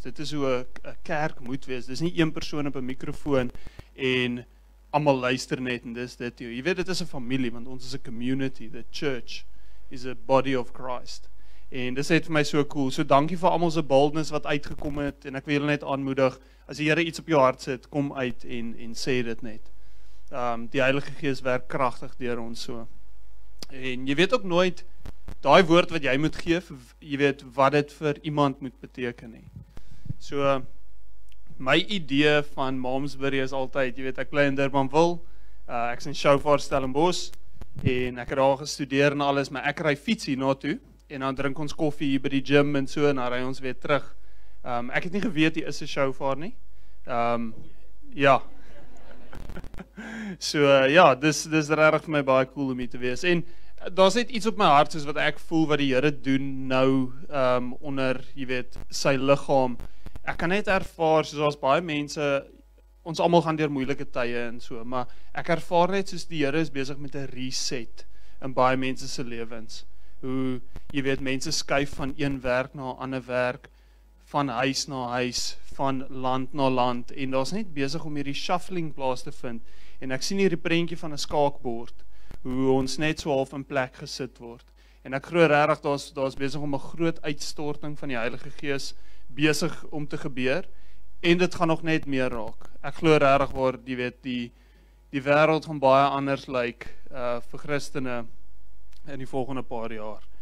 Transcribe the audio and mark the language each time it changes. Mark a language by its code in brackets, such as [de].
[af] Dit is hoe 'n kerk moet wees. Dis nie een persoon op 'n mikrofoon en allemaal luister net en dis dit. Jy weet, dit is 'n familie, want ons is 'n community. [en] The church is a body of Christ. [af] En dis het vir my so cool. So dankie vir almal se boldness wat uitgekom het. En ek wil julle net aanmoedig, as die Here iets op jou hart sit, kom uit en sê dit net. Die Heilige Gees werk krachtig deur ons so. En jy weet ook nooit, daai woord wat jy moet geef, jy weet wat dit vir iemand moet beteken nie. So, my idee van Malmesbury is altyd, jy weet, ek bly in Durbanville, ek is in Shofar Stellenbosch, en ek het daar gestudeer en alles, maar ek ry fiets hier na toe, en dan drink ons koffie hier by die gym en so, en dan ry ons weer terug. Ek het nie geweet, hier is 'n Shofar nie. Ja. So, ja, dis regtig vir my baie cool om hier te wees, en daar is net iets op my hart, soos wat ek voel, wat die Here doen nou, onder, jy weet, sy liggaam. Ek kan net ervaar, soos as baie mense, ons allemaal gaan deur moeilike tye en so, maar ek ervaar net soos die Here is bezig met 'n reset in baie mense se lewens. Hoe, jy weet, mense skuif van een werk na ander werk, van huis na huis, van land na land, en daar is net bezig om hierdie shuffling plaas te vind. En ek sien hierdie prentjie van 'n skaakbord, hoe ons net so half in plek gesit word. En ek glo regtig, daar is bezig om 'n groot uitstorting van die Heilige Gees bezig om te gebeur, en dit gaan nog net meer raak. Ek glo regtig waar, jy weet, die wêreld gaan baie anders lyk vir Christene in die volgende paar jaar.